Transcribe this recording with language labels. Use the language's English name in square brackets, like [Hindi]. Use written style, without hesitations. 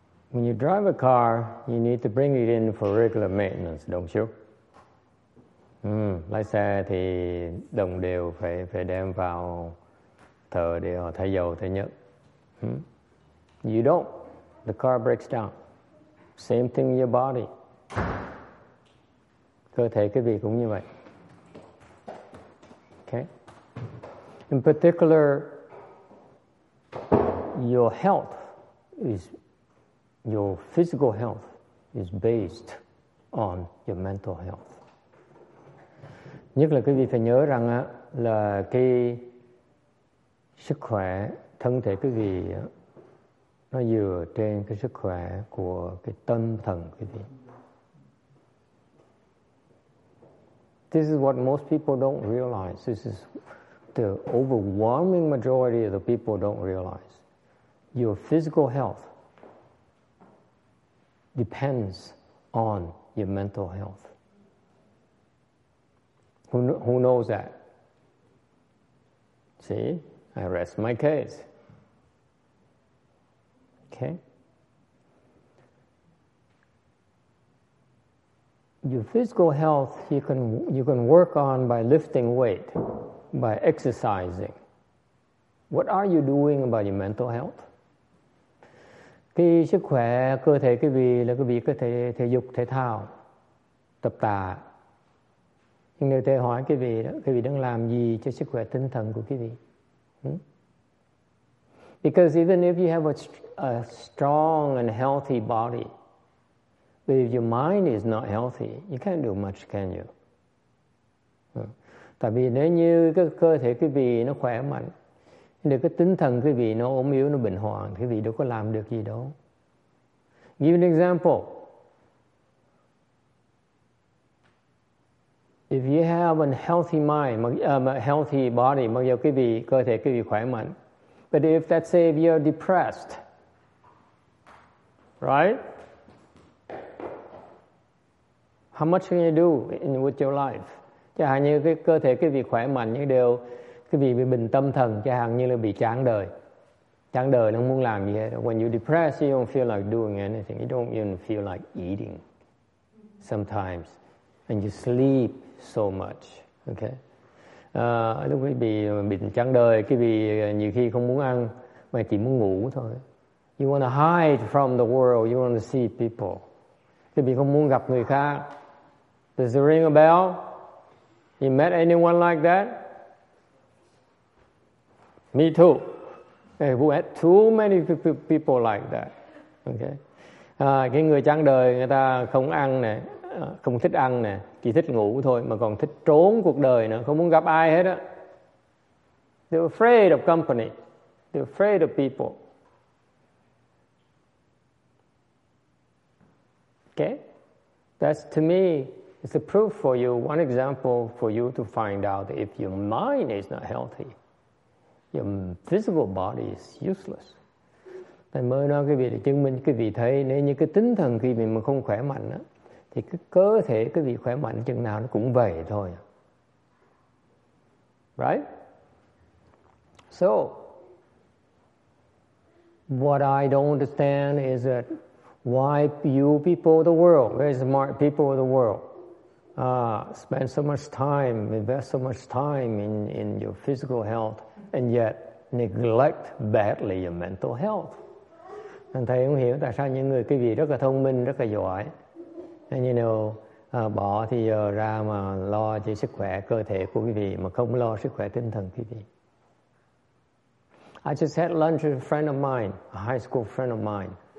[English] When you drive a car, you need to bring it in for regular maintenance, don't you? [Vietnamese] Lái xe thì đồng đều phải phải đem vào thợ để họ thay dầu thay nhớt. [English] You don't, the car breaks down. Same thing in your body. [Vietnamese] Cơ thể quý vị cũng như vậy. [English] Okay. In particular, your health is, your physical health is based on your mental health. [Vietnamese] Nhất là quý vị phải nhớ rằng là cái sức khỏe thân thể quý vị nó dựa trên cái sức khỏe của cái tâm thần quý vị. [English] This is what most people don't realize. This is the overwhelming majority of the people don't realize. Your physical health depends on your mental health. Who knows that? See, I rest my case. Okay? Your physical health, you can work on by lifting weight, by exercising. What are you doing about your mental health? [Vietnamese] Cái sức khỏe cơ thể quý vị là quý vị có thể thể dục thể thao, tập tạ. Nhưng nếu tôi hỏi quý vị đó, quý vị đang làm gì cho sức khỏe tinh thần của quý vị? [English] Because even if you have a strong and healthy body, but if your mind is not healthy, you can't do much, can you? [Vietnamese] Tại vì nếu như cái cơ thể quý vị nó khỏe mạnh, nếu cái tinh thần quý vị nó ốm yếu, nó bệnh hoạn, quý vị đâu có làm được gì đâu. [English] Give an example. If you have a healthy mind, a healthy body, [Vietnamese] mặc dù quý vị, cơ thể quý vị khỏe mạnh, [English] but if, let's say, if you're depressed, right? How much can you do in with your life? [Vietnamese] Chẳng hạn như cái cơ thể cái vị khỏe mạnh những điều cái vị bị bệnh tâm thần, chẳng hạn như là bị chán đời nó không muốn làm gì hết. [English] When you're depressed, you don't feel like doing anything. You don't even feel like eating sometimes, and you sleep so much. [Vietnamese] Okay, lúc quý vị bị chán đời, cái vị nhiều khi không muốn ăn mà chỉ muốn ngủ thôi. [English] You want to hide from the world. You want to see people. [Vietnamese] Quý vị không muốn gặp người khác. [English] Does it ring a bell? You met anyone like that? Me too. Hey, we had too many people like that. Okay. [Vietnamese] Cái người chán đời, người ta không ăn nè, không thích ăn nè, chỉ thích ngủ thôi, mà còn thích trốn cuộc đời nữa, không muốn gặp ai hết á. [English] They're afraid of company. They're afraid of people. Okay? That's, to me, it's a proof for you, one example for you to find out if your mind is not healthy, your physical body is useless. [Vietnamese] Tôi mới nói quý vị để chứng minh quý vị thấy nếu như cái tinh thần quý vị mà không khỏe mạnh á, thì cái cơ thể quý vị khỏe mạnh chừng nào nó cũng vậy thôi. [English] Right? So, what I don't understand is that why you people of the world, very smart people of the world, spend so much time, invest so much time in your physical health, and yet neglect badly your mental health. [Vietnamese] Anh thầy không hiểu tại sao những người quý vị rất là thông minh, rất là giỏi, [English] and you know, [Vietnamese] bỏ thì giờ ra mà lo cho sức khỏe cơ thể của quý vị mà không lo sức khỏe tinh thần quý vị. [English] I just had lunch with a friend of mine, a high school friend of mine.